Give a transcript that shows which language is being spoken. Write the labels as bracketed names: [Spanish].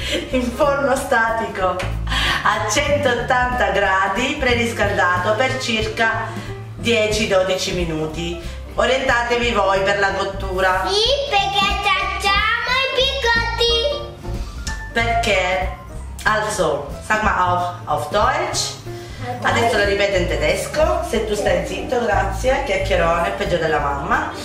[Italian] In forno statico a 180 gradi preriscaldato per circa 10-12 minuti. Orientatevi voi per la cottura. Sì, perché facciamo i biscotti. Perché? [German] Also, sag mal auf Deutsch. [Italian] Adesso lo ripeto in tedesco. Se tu stai zitto, grazie. Chiacchierone, peggio della mamma.